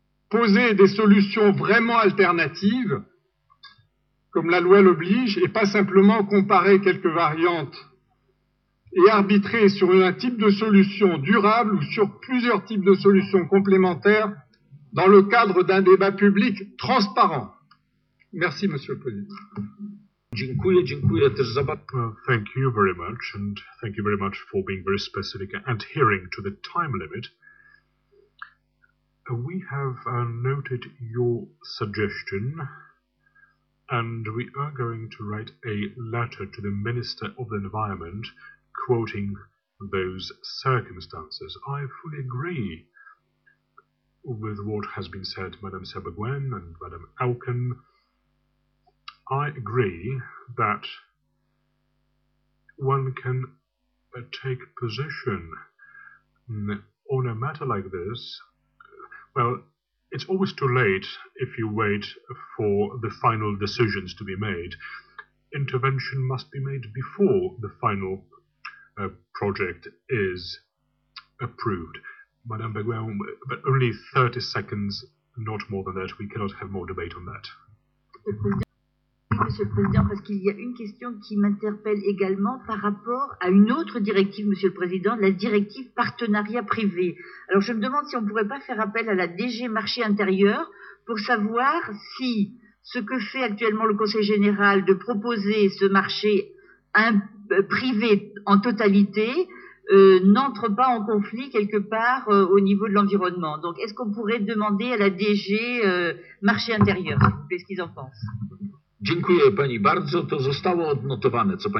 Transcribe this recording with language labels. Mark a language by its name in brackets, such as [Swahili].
[French] poser des solutions vraiment alternatives, comme la loi l'oblige, et pas simplement comparer quelques variantes, et arbitrer sur un type de solution durable ou sur plusieurs types de solutions complémentaires dans le cadre d'un débat public transparent. Merci, Monsieur le Président. [English] Thank you very much, and thank you very much for being very specific and adhering to the time limit. We have noted your suggestion, and we are going to write a letter to the Minister of the Environment quoting those circumstances. I fully agree with what has been said, Madame Sabaguen and Madame Elkin. I agree that one can take position on a matter like this. Well, it's always too late if you wait for the final decisions to be made. Intervention must be made before the final project is approved. Madame Beguin, but only 30 seconds, not more than that. We cannot have more debate on that. [French] Monsieur le Président, parce qu'il y a une question qui m'interpelle également par rapport à une autre directive, Monsieur le Président, la directive partenariat privé. Alors je me demande si on ne pourrait pas faire appel à la DG Marché Intérieur pour savoir si ce que fait actuellement le Conseil Général de proposer ce marché privé en totalité n'entre pas en conflit quelque part au niveau de l'environnement. Donc est-ce qu'on pourrait demander à la DG Marché Intérieur, qu'est-ce qu'ils en pensent? [Polish] Dziękuję Pani bardzo. To zostało odnotowane, co Pani...